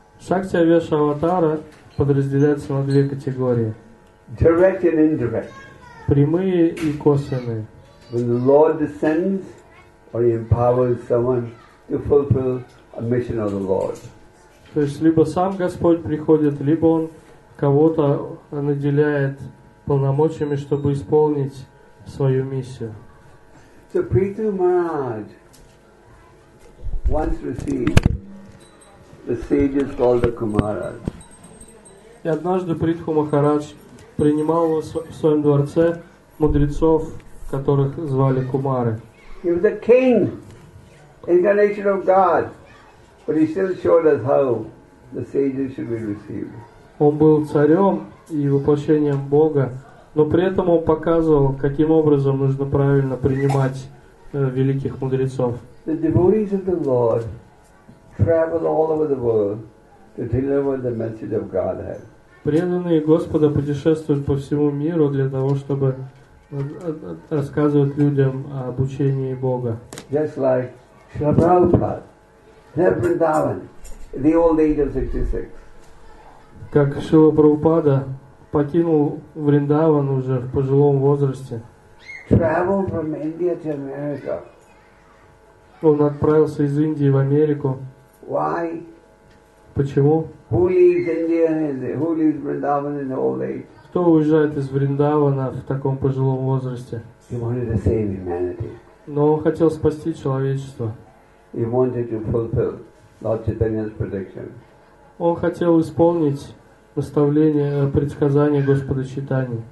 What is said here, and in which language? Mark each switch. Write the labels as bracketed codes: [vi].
[ru] Шактавеш аватара подразделяется на две категории. [en] Direct and indirect. [ru] Прямые и косвенные. [en] When the Lord descends or he empowers someone to fulfill a mission of the Lord. [ru] То есть либо сам Господь приходит, либо он кого-то наделяет полномочиями, чтобы исполнить свою миссию. [en] So Prithu Maharaj once received the sages called the Kumaras. [ru] И однажды Притху Махарадж принимал в своем дворце мудрецов, которых звали Кумары. [en] He was a king. Incarnation of God, but he still showed us how the sages should be received. [ru] Он был царем и воплощением Бога, но при этом он показывал, каким образом нужно правильно принимать великих мудрецов. [en] The devotees of the Lord travel all over the world to deliver the message of Godhead. [ru] Преданные Господа путешествуют по всему миру для того, чтобы рассказывать людям об учении Бога. [en] Just like Shri Prabhupada, Shri Vrindavan, the old age of 66. [ru] Как Шрила Прабхупада покинул Вриндаван уже в пожилом возрасте. [en] Travel from India to America. [ru] Он отправился из Индии в Америку. [en] Why? [ru] Почему? [en] Who leaves India and who leaves Vrindavan in the old age? [ru] Кто уезжает из Вриндавана в таком пожилом возрасте? [en] He wanted to save humanity. [ru] Но он хотел спасти человечество. [en] He wanted to fulfill Lord Chaitanya's prediction. [ru] Он хотел исполнить наставление, предсказание Господа Чайтаньи.